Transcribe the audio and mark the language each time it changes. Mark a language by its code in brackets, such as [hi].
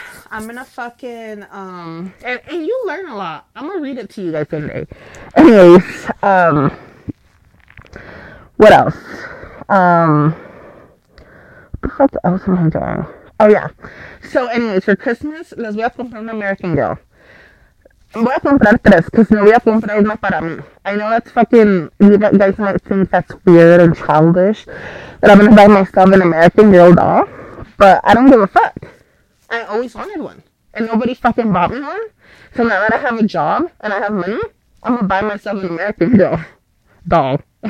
[en] I'm going to fucking, and you learn a lot. I'm going to read it to you guys someday. Anyways, what else? What the fuck else am I doing? Oh, yeah. So, anyways, for Christmas, [es] les voy a comprar [en] an American Girl. [es] Voy a comprar tres, [en] because [es] no voy a comprar una para mí. [en] I know that's fucking, you guys might think that's weird and childish, that I'm going to buy myself an American Girl doll, but I don't give a fuck. I always wanted one, and nobody fucking bought me one. So now that I have a job and I have money, I'm going to buy myself an American Girl doll.